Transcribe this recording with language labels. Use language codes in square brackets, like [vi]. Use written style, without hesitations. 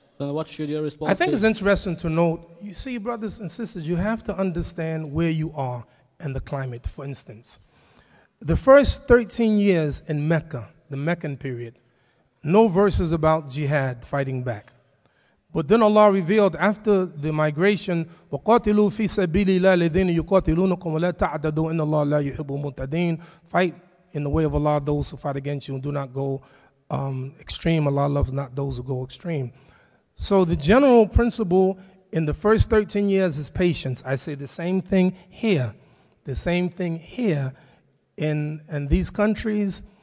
[en] Then what should your response be? I think be? It's interesting to note, you see, brothers and sisters, you have to understand where you are and the climate, for instance. The first 13 years in Mecca, the Meccan period, no verses about jihad fighting back. But then Allah revealed after the migration, [ar] وَقَاتِلُوا فِي سَبِيلِ اللَّهِ الَّذِينَ يُقَاتِلُونَكُمْ وَلَا تَعْدَدُوا إِنَّ اللَّهَ لَا يُحِبُّ الْمُتَدِينَ. [en] Fight in the way of Allah those who fight against you and do not go extreme. Allah loves not those who go extreme. So the general principle in the first 13 years is patience. I say the same thing here. The same thing here in these countries.